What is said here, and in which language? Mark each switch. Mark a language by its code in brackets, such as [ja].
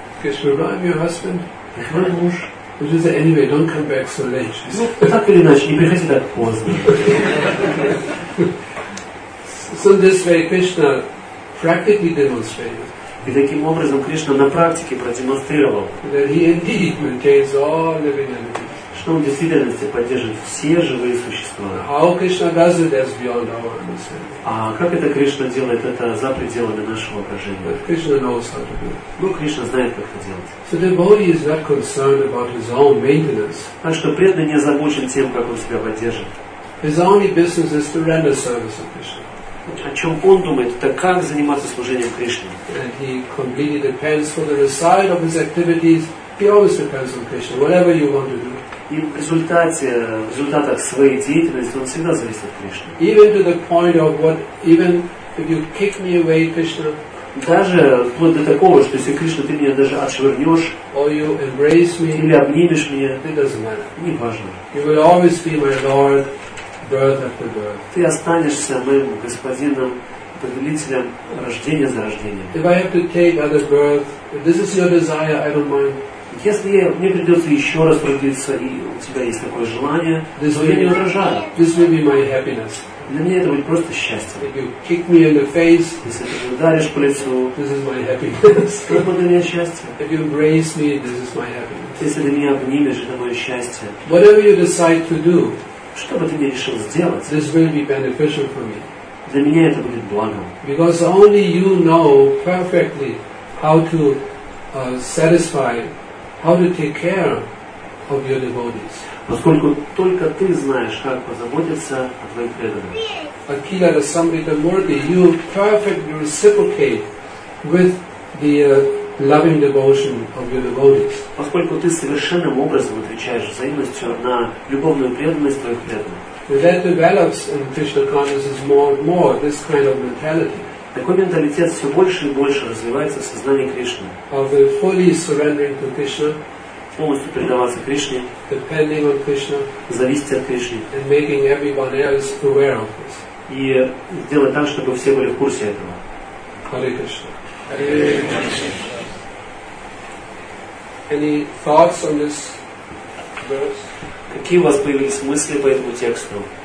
[en] Кришна, I'm your husband. [ru] Это мой муж. [en] Which is anyway, don't come back so late. [ru] Ну, так или иначе, не приходи так поздно. [en] So this way Krishna practically demonstrated. [ru] И таким образом Кришна на практике продемонстрировал, [en] that he indeed maintains all living entities. [ru] Что он в действительности поддерживает все живые существа. [en] How Krishna does it is beyond our understanding. [ru] А как это Кришна делает, это за пределами нашего окружения. [en] But Krishna knows how to do it. [ru] Ну, Кришна знает, как это делать. [en] So the devotee is not concerned about his own maintenance. [ru] Так что преданный не озабочен тем, как он себя поддерживает. [en] His only business is to render service to Krishna. [ru] О чем он думает, это как заниматься служением Кришне. [en] And he completely depends for the result of his activities. He always depends on Krishna, whatever you want to do. [ru] И в результате, в результатах своей деятельности он всегда зависит от Кришны. [en] Even to the point of what, even if you kick me away, Krishna. [ru] Даже вплоть до такого, что если Кришна, ты меня даже отшвырнешь, [en] or you embrace me, [ru] или обнимешь меня, [en] it doesn't matter. [ru] Не важно. [en] You will always be my Lord. Birth after birth. [ru] Ты останешься моим господином, повелителем рождения за рождением. [en] If I have to take another birth, if this is your desire, I don't mind. [ru] Если мне придется еще раз родиться, и у тебя есть такое желание, [en] this [ru] то я не возражаю. [en] This will be my happiness. [ru] Для меня это будет просто счастье. [en] If you kick me in the face, [ru] если ты ударишь по лицу, [en] this is my happiness. [ru] Это будет для меня счастье. [en] If you embrace me, this is my happiness. [ru] Если ты меня обнимешь, это мое счастье. [en] Whatever you decide to do, [ru] что бы ты мне решил сделать, [en] this will be beneficial for me. [ru] Для меня это будет благом. [en] Because only you know perfectly how to satisfy, how to take care of your devotees. [ru] Поскольку только ты знаешь, как позаботиться о твоих преданных. [en] Akila Dasamrita Murti, you perfectly reciprocate with the loving devotion of your devotees. [ru] Поскольку ты совершенным образом отвечаешь взаимностью на любовную преданность твоих преданных. [en] That develops in Krishna consciousness more and more, this kind of mentality. [ru] Такой менталитет все больше и больше развивается в сознании Кришны. [en] Of the fully surrendering to Krishna, [ru] полностью предаваться Кришне, [en] depending on Krishna, [ru] зависеть от Кришны, [en] and making everyone else aware of this. [ru] И сделать так, чтобы все были в курсе этого. [sa] Hare Krishna. Hare Krishna. [en] Any thoughts on this verse? [ru] Какие у вас появились мысли по этому тексту?